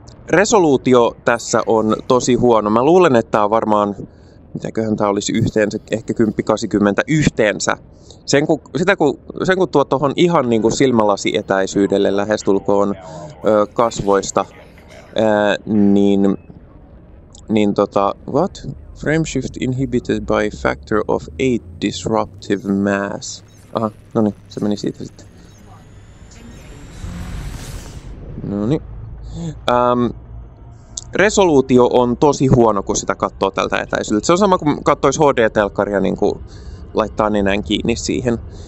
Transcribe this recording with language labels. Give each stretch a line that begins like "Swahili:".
Finnish: Resoluutio tässä on tosi huono. Mä luulen, että tää on varmaan, mitäköhän tää olisi yhteensä, ehkä 10-80 yhteensä. Sen kun tuo tohon ihan niin kuin silmälasietäisyydelle lähestulkoon kasvoista, niin
English: what? Frameshift inhibited by factor of 8 disruptive mass.
Finnish: Aha, no niin, se meni siitä sitten. No niin. Resoluutio on tosi huono, kun sitä katsoo tältä etäisyydeltä. Se on sama kuin katsois HD-telkkaria, niin kuin laittaa nenän kiinni siihen.